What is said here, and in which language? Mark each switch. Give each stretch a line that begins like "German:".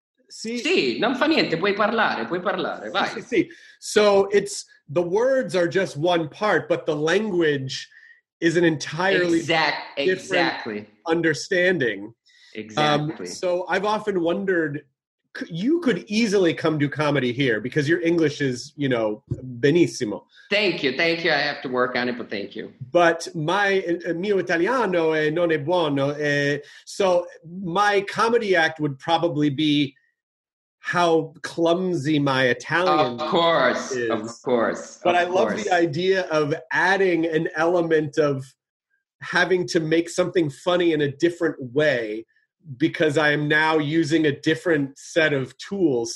Italian: Sì, non fa niente, puoi parlare, vai. Sì.
English: So it's the words are just one part, but the language is an entirely different understanding. Exactly. So I've often wondered, you could easily come do comedy here because your English is, you know, benissimo. Thank you. I have to work on it, but thank you. But my
Italian: mio italiano non è buono.
English: So my comedy act would probably be how clumsy my Italian is. Of course. But I love the idea of adding an element of having to make something funny in a different way, because I am now using a different set of tools.